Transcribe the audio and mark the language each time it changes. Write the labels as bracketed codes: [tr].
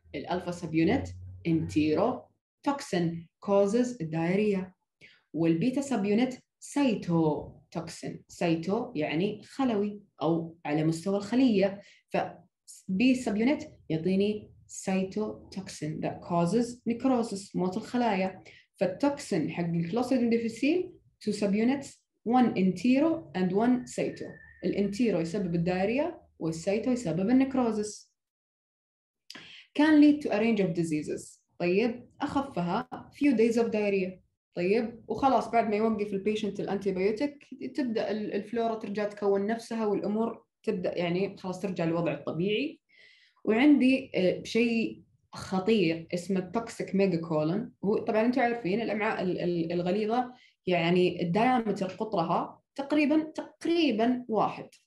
[ar] الألفا سب يونت انتيرو توكسين [en] causes diarrhea، [ar] والبيتا سب يونت سيتو توكسين، سيتو يعني خلوي أو على مستوى الخلية، فبي سب يونت يعطيني سيتو توكسين [en] that causes necrosis [ar] موت الخلايا. فالتوكسين حق الكلوستريديم ديفيسيل two سب يونتس، one انتيرو and one سيتو. الانتيرو يسبب الدائرية والسيتو يسبب النكروزس. [en] Can lead to a range of diseases. [ar] طيب أخفها [en] few days of diarrhea. [ar] طيب وخلاص بعد ما يوقف البيشنت الانتيبيوتيك تبدأ الفلورا ترجع تكون نفسها والأمور تبدأ يعني خلاص ترجع لوضع الطبيعي. وعندي شيء خطير اسمه toxic megacolon. طبعا أنتوا عارفين الأمعاء الغليظة يعني الديامتر قطرها تقريبا واحد.